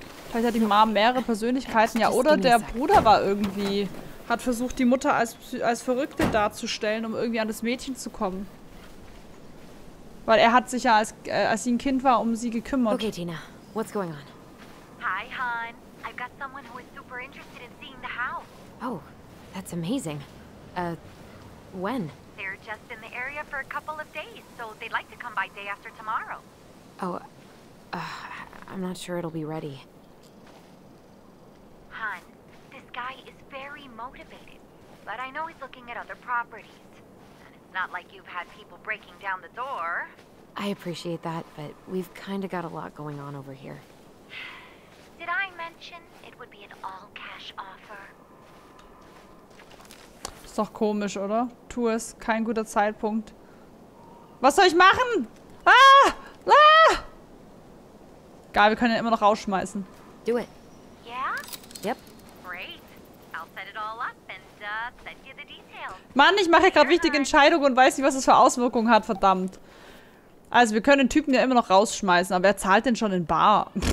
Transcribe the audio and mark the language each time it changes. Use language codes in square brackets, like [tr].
[de] Vielleicht hat die Mom mehrere Persönlichkeiten, ja. Oder der Bruder war irgendwie, hat versucht, die Mutter als Verrückte darzustellen, um irgendwie an das Mädchen zu kommen. Weil er hat sich ja, als sie ein Kind war, um sie gekümmert. [en] Okay, Tina, what's going on? Hi, hon. I've got someone who is super interested in seeing the house. Oh, that's amazing. When? They're just in the area for a couple of days, so they'd like to come by day after tomorrow. Oh, I'm not sure it'll be ready. Hon, this guy is very motivated, but I know he's looking at other properties. Not like you've had people breaking down the door. I appreciate that, but we've kind of got a lot going on over here. Did I mention it would be an all-cash offer? [de] Ist doch komisch, oder? Tu es, kein guter Zeitpunkt. Was soll ich machen? Ah! Ah! Geil, wir können ihn immer noch rausschmeißen. [en] Do it. Yeah? Yep. Great. I'll set it all up and send you the details. [de] Mann, ich mache gerade wichtige Entscheidungen und weiß nicht, was das für Auswirkungen hat, verdammt. Also, wir können den Typen ja immer noch rausschmeißen, aber wer zahlt denn schon in Bar?